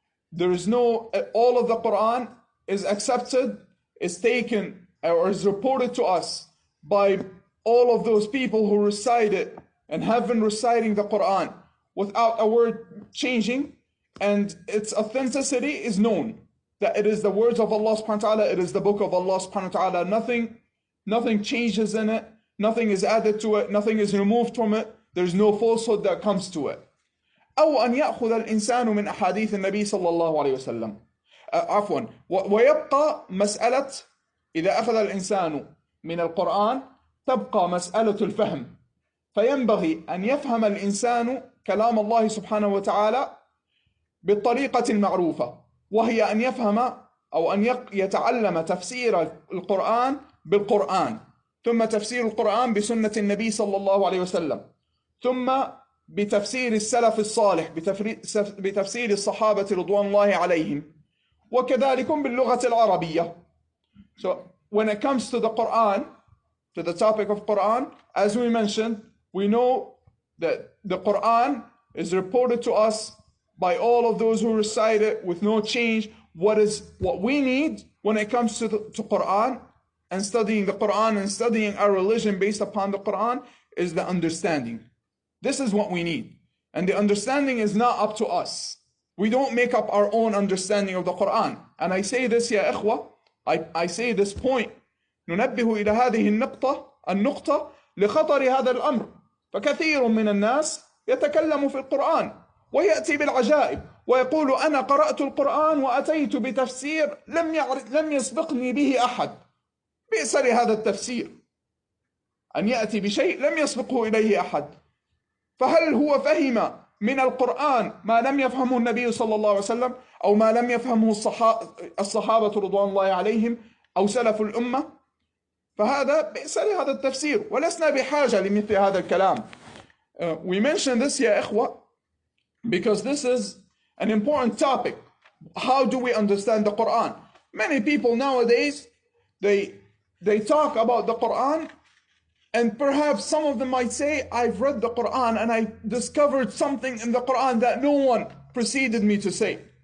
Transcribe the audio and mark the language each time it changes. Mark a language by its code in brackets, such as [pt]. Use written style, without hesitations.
[en] There is no, all of the Quran is accepted, is taken, or is reported to us by all of those people who recite it and have been reciting the Quran without a word changing, and its authenticity is known. That it is the words of Allah subhanahu wa ta'ala, it is the book of Allah subhanahu wa ta'ala. Nothing changes in it, nothing is added to it, nothing is removed from it, there's no falsehood that comes to it. [ar] أو أن يأخذ الإنسان من أحاديث النبي صلى الله عليه وسلم. ويبقى مسألة إذا أخذ الإنسان من القرآن تبقى مسألة الفهم. فينبغي أن يفهم الإنسان كلام الله سبحانه وتعالى بالطريقة المعروفة. وهي أن يفهم أو أن يتعلم تفسير القرآن بالقرآن ثم تفسير القرآن بسنة النبي صلى الله عليه وسلم ثم بتفسير السلف الصالح بتفسير الصحابة رضوان الله عليهم وكذلك باللغة العربية. [en] So when it comes to the Quran, to the topic of Quran, as we mentioned, we know that the Quran is reported to us by all of those who recite it with no change. What we need when it comes to Quran and studying the Quran and studying our religion based upon the Quran is the understanding. This is what we need. And the understanding is not up to us. We don't make up our own understanding of the Quran. And I say this, [ar] ya ikhwa, [en] I say this point. [ar] ننبه إلى هذه النقطة النقطة لخطر هذا الأمر. فكثير من الناس يتكلم في القرآن ويأتي بالعجائب ويقول أنا قرأت القرآن وأتيت بتفسير لم يسبقني به أحد. بئس لهذا التفسير أن يأتي بشيء لم يسبقه إليه أحد. فهل هو فهم من القرآن ما لم يفهمه النبي صلى الله عليه وسلم أو ما لم يفهمه الصحابة رضوان الله عليهم أو سلف الأمة؟ فهذا بئس لهذا التفسير ولسنا بحاجة لمثل هذا الكلام. [en] We mention this, [ar] يا إخوة, [en] because this is an important topic. How do we understand the Quran? Many people nowadays, they talk about the Quran, and perhaps some of them might say, I've read the Quran and I discovered something in the Quran that no one preceded me to say.